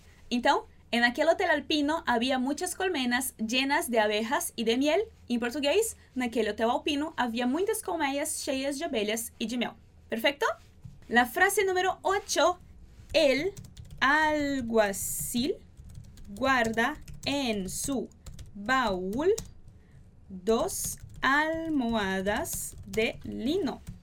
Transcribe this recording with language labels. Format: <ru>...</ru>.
<es>Então, en aquel hotel alpino había muchas colmenas llenas de abejas y de miel.</es> <pt>Em português, naquele hotel alpino havia muitas colmeias cheias de abelhas e de mel. Perfeito?</pt> <es>La frase número 8. El alguacil guarda en su baúl dos almohadas de lino.</es>